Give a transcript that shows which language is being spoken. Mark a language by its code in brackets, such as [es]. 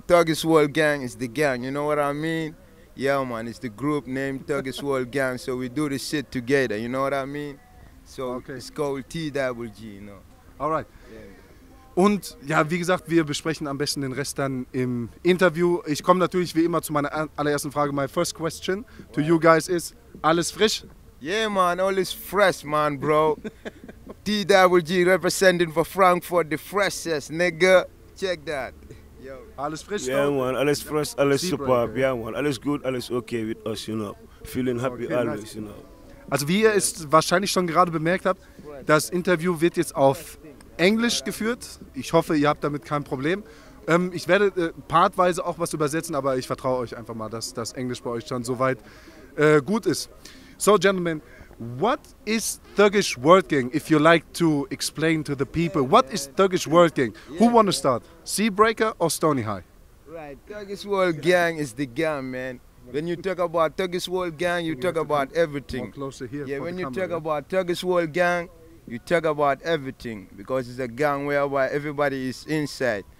[en] Thuggish World Gang is the gang, you know what I mean? Yeah, man, it's the group named Thuggish World Gang, so we do this shit together, you know what I mean? So okay. It's called TWG, you know. Alright. [de] Und ja, wie gesagt, wir besprechen am besten den Rest dann im Interview. Ich komme natürlich wie immer zu meiner allerersten Frage. [en] My first question to you guys is, [de] alles frisch? [en] Yeah, man, all is fresh, man, bro. TWG representing for Frankfurt, the freshest, nigga. Check that. [de] Yo. Alles frisch, [en] yeah, man, alles fresh, alles superb. Yeah, man, alles good, alles okay with us, you know. Feeling happy okay, always, nice. You know. [de] Also, wie ihr es wahrscheinlich schon gerade bemerkt habt, das Interview wird jetzt auf Englisch geführt. Ich hoffe, ihr habt damit kein Problem. Ich werde partweise auch was übersetzen, aber ich vertraue euch einfach mal, dass das Englisch bei euch schon soweit gut ist. [en] So, gentlemen, what is Thuggish World Gang? If you like to explain to the people, what is Thuggish World Gang? Yeah, who want to start? Seabreaker or Stony High? Right, Thuggish World Gang is the gang, man. When you talk about Thuggish World Gang, you talk about everything. More closer here. Yeah, when you talk about Thuggish World Gang, you talk about everything because it's a gang whereby everybody is inside.